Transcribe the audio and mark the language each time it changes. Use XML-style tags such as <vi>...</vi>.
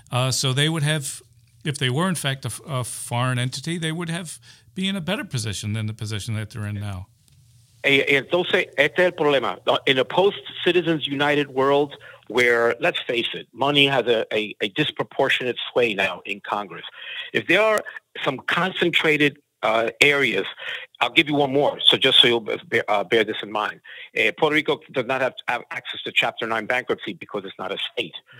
<en>So they would have, if they were in fact a foreign entity, they would have be in a better position than the position that they're in now.</en> <es>Entonces, este es el problema.</es> <en>In a post-Citizens United world where, let's face it, money has a disproportionate sway now in Congress, if there are some concentrated areas, I'll give you one more, so just so you'll bear this in mind. Puerto Rico does not have access to Chapter 9 bankruptcy because it's not a state.</en>